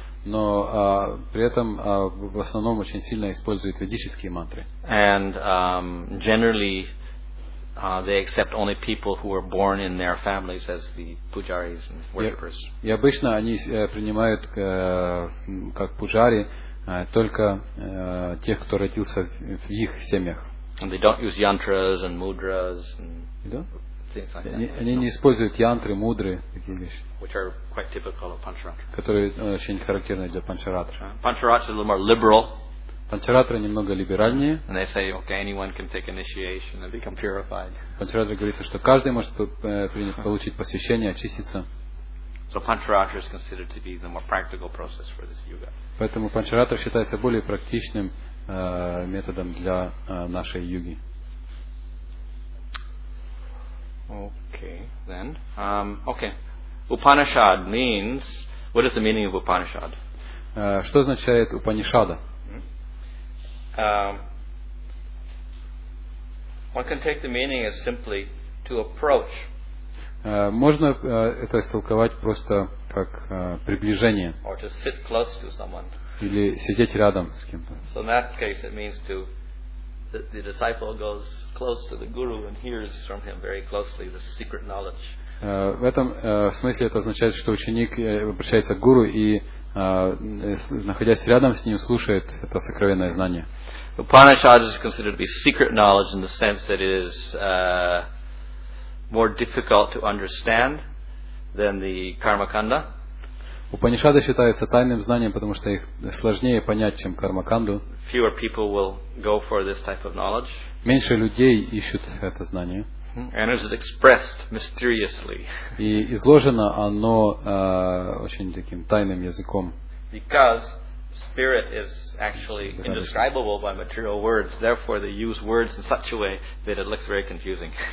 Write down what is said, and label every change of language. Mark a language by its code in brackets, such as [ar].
[ru] Но при этом в основном очень сильно использует ведические мантры. [en] And generally they accept only people who were born in their families as the pujaris and worshippers. [ru] И обычно они принимают как пуджари только тех, кто родился в их семьях. [en] And they don't use yantras and mudras and [ru] Они не используют янтры, мудры, такие вещи, [en] which are quite typical of Pancharatra. [ru] Которые очень характерны для Pancharatra. [en] Pancharatra is a little more liberal. [ru] Pancharatra немного либеральнее. [en] And they say, okay, anyone can take initiation and become purified. [ru] Pancharatra говорит, что каждый может получить посвящение, очиститься. [en] So Pancharatra is considered to be the more practical process for this yoga. [ru] Поэтому Pancharatra считается более практичным методом для нашей йоги. [en] Okay, then. Okay. Upanishad means, what is the meaning of Upanishad? [ru] Что означает Упанишада? [en] One can take the meaning as simply to approach. [ru] Можно это истолковать просто как приближение. [en] Or to sit close to someone. [ru] Или сидеть рядом с кем-то. [en] So in that case it means to the disciple goes close to the guru and hears from him very closely the secret knowledge. [ru] В этом смысле это означает, что ученик обращается к гуру и находясь рядом с ним, слушает это сокровенное знание. [en] Upanishad is considered to be secret knowledge in the sense that it is more difficult to understand than the Karmakanda. [ru] Упанишады считаются тайным знанием, потому что их сложнее понять, чем Кармаканду. [en] Fewer people will go for this type of knowledge. [ru] Меньше людей ищут это знание. [en] And it is expressed mysteriously. [ru] И изложено оно очень таким тайным языком. [en] Because spirit is actually indescribable by material words, therefore they use words in such a way that it looks very confusing.